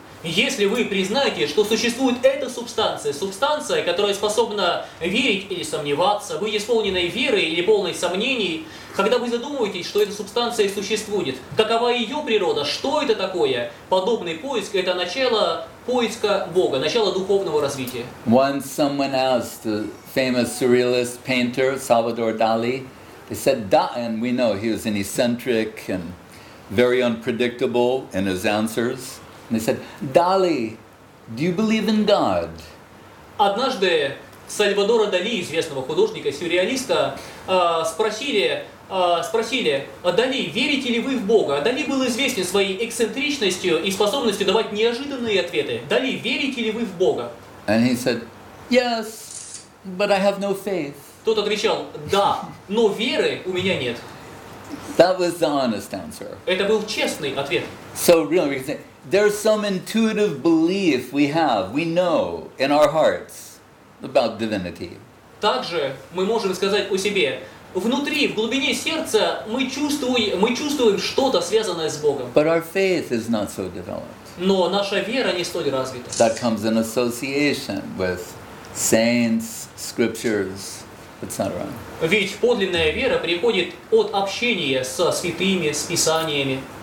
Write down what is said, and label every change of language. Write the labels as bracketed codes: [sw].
[ru] Если вы признаете, что существует эта субстанция, субстанция, которая способна верить или сомневаться, быть исполненной веры или полной сомнений, когда вы задумываетесь, что эта субстанция существует, какова ее природа, что это такое, подобный поиск – это начало поиска Бога, начало духовного развития. [en] Once someone asked the famous surrealist painter Salvador Dali, they said, and we know he was an eccentric and very unpredictable in his answers. And they said, Dali, do you believe in God? [ru] Однажды Сальвадора Дали, известного художника-сюрреалиста, спросили, Дали, верите ли вы в Бога? Дали был известен своей эксцентричностью и способностью давать неожиданные ответы. Дали, верите ли вы в Бога? [en] And he said, yes, but I have no faith. [ru] Тот отвечал, да, но веры у меня нет. [en] That was the honest answer. [ru] Это был честный ответ. [en] So really, we can say, there's some intuitive belief we have, we know in our hearts about divinity. [ru] Также мы можем сказать о себе, внутри, в глубине сердца мы чувствуем что-то связанное с Богом. [en] But our faith is not so developed. [ru] Но наша вера не столь развита. [en] That comes in association with saints, scriptures, etc. [ru] Ведь подлинная вера приходит от общения со святыми, с писаниями.